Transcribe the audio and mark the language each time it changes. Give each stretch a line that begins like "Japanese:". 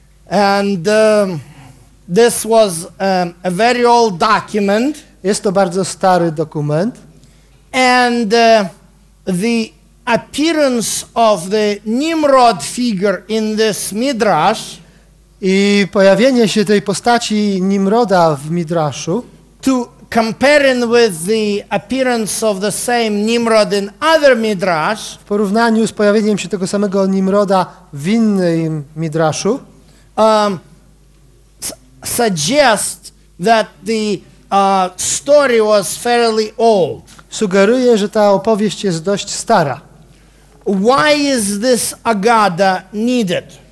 English: And this was a very old document.
Polish: Jest to bardzo stary dokument.
English: And the appearance of the Nimrod figure in this midrash.
Polish: I pojawienie się tej postaci Nimroda w midraszu.
English: To comparing with the appearance of the same Nimrod in other midrash.
Polish: W porównaniu z pojawieniem się tego samego Nimroda w innym midraszu.
English: Suggest that the story was fairly old.
Polish: Sugeruje, że ta opowieść jest dość stara.
English: Why is this Agada needed?